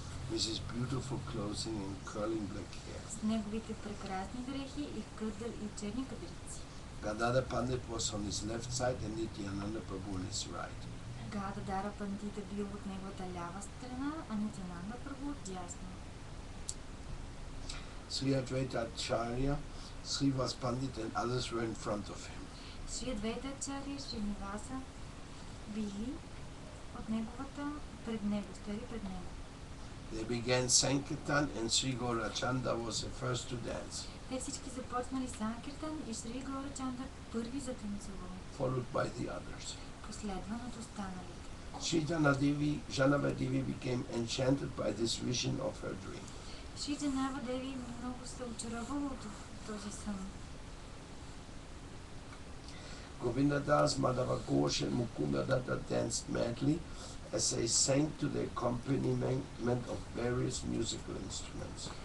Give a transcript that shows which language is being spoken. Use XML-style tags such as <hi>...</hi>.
<en>With his beautiful clothing and curling black hair.</en> <bg>С неговите прекрасни дрехи и кудър и черни кадрици.</bg> <en>Gadadhara Pandit was on his left side and Nityananda Prabhu on his right.</en> <bg>Gadadhara Pandit бил от неговата лява страна, а Nityananda Prabhu от дясна.</bg> <en>Sri Advaita Acharya, Sri Vas Pandit and others were in front of him.</en> <bg>Sri Advaita Acharya, Sri Nivasa били от неговата пред него, стари пред него.</bg> <en>They began Sankirtan and Sri Gaurachandra was the first to dance.</en> <bg>Те всички започнали Санкиртан и Шри Гаурачандра първи затанцували.</bg> <en>Followed by the others.</en> <bg>Последван от останалите.</bg> <en>Sri Janava Devi became enchanted by this vision of her dream.</en> <bg>Sri Janava Devi много се очаровала от този сън.</bg> <en>Govinda Das, Madhava Ghosh and Mukunda Dada danced madly. As they sang to the accompaniment of various musical instruments.</en>